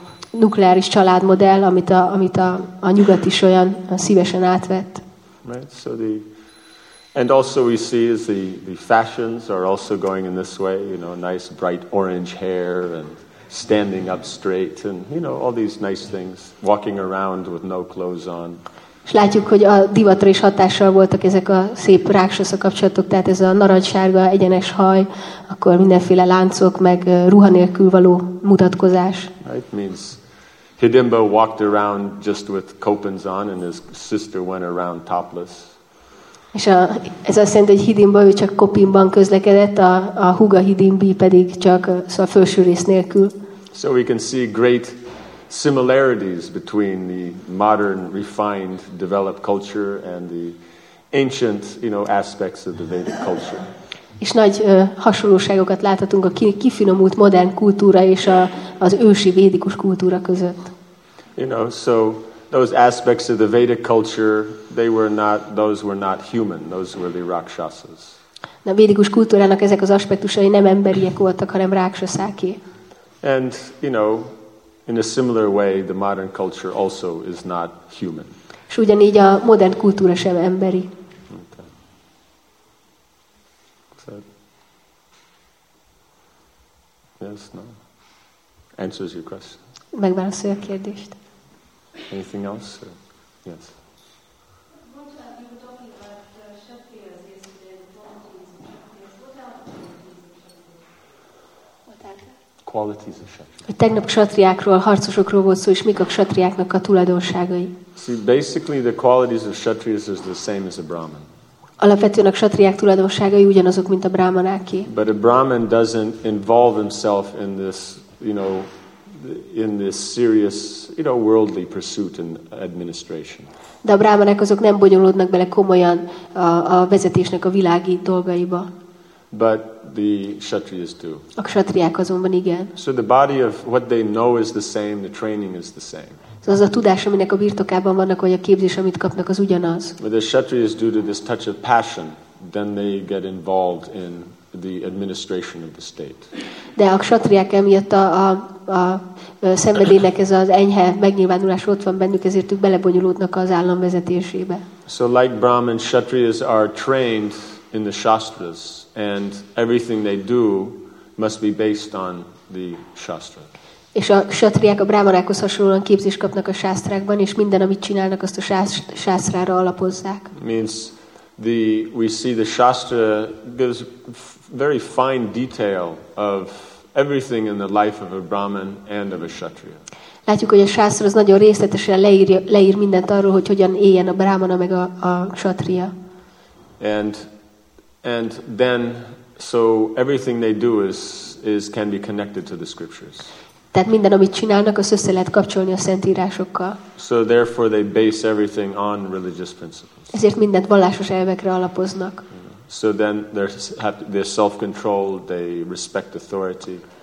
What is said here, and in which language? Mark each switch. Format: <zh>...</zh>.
<hu>nukleáris családmodell, amit a nyugat is olyan szívesen átvett.</hu> <en>Right, so the, and also we see is the fashions are also going in this way, you know, nice bright orange hair and standing up straight and you know all these nice things, walking around with no clothes on.</en> <hu>És látjuk, hogy a divatra is hatással voltak ezek a szép rákszasz kapcsolatok, tehát ez a narancssárga egyenes haj, akkor mindenféle láncok meg ruha nélkül való mutatkozás.</hu> <en>Right, means Hidimba walked around just with kopens on and his sister went around topless.</en> <hu>És a, ez azt jelenti, hogy Hidimba ő csak kopinban közlekedett, a húga Hidimbi pedig csak szóval felső rész nélkül.</hu> <en>So we can see great similarities between the modern, refined, developed culture and the ancient, you know, aspects of the Vedic culture.</en> <hu>És nagy hasonlóságokat láthatunk a kifinomult modern kultúra és az ősi védikus kultúra között.</hu> <en>You know, so those aspects of the Vedic culture, they were not, those were not human, those were the rakshasas.</en> <hu>A védikus kultúrának ezek az aspektusai nem emberiek voltak, hanem rákszaszáké.</hu> <en>And, you know, in a similar way, the modern culture also is not human.</en> <hu>És ugyanígy a modern kultúra sem emberi.</hu> <en>Yes, no. Answers your question.</en> <hu>Megválaszolja a kérdést.</hu> <en>Anything else? Yes. Qualities of Kshatriya.</en> <hu>Tegnap kshatriákról, harcosokról volt szó, és mik a kshatriáknak a tulajdonságai?</hu> <en>See, basically the qualities of kshatriyas is the same as a brahman.</en> <hu>Alapvetően a kshatriák tulajdonságai ugyanazok, mint a brahmanáké.</hu> <en>But a brahman doesn't involve himself in this, you know, in this serious, you know, worldly pursuit and administration.</en> <hu>De a brahmanák azok nem bonyolódnak bele komolyan a vezetésnek a világi dolgaiba.</hu> <en>But the kshatriyas do.</en> <hu>A kshatriák azonban igen.</hu> <en>So the body of what they know is the same, the training is the same.</en> <hu>Szóval az a tudás, aminek a birtokában vannak, vagy a képzés, amit kapnak, az ugyanaz.</hu> <en>But the kshatriyas due to this touch of passion, then they get involved in the administration of the state.</en> <hu>De a kshatriák emiatt a szenvedélynek ez az enyhe megnyilvánulás ott van bennük, ezért ők belebonyolódnak az állam vezetésébe.</hu> <en>So like Brahman, kshatriyas are trained in the shastras, and everything they do must be based on the shastra.</en> <hu>És a kshatriák a brámanákhoz hasonlóan képzés kapnak a sásztrákban, és minden, amit csinálnak, azt a sásztrára alapozzák.</hu> <en>Means the, we see the shastra gives very fine detail of everything in the life of a brahman and of a kshatriya.</en> <hu>Látjuk, hogy a sásztra az nagyon részletesen leír mindent arról, hogy hogyan éljen a brámana meg a kshatriya.</hu> <en>And then, so everything they do is can be connected to the scriptures.</en> <hu>Tehát minden, amit csinálnak, azt össze lehet kapcsolni a szentírásokkal.</hu> <en>So therefore they base everything on religious principles.</en> <hu>Ezért mindent vallásos elvekre alapoznak.</hu> <en>So then they're self-controlled, they respect authority.</en>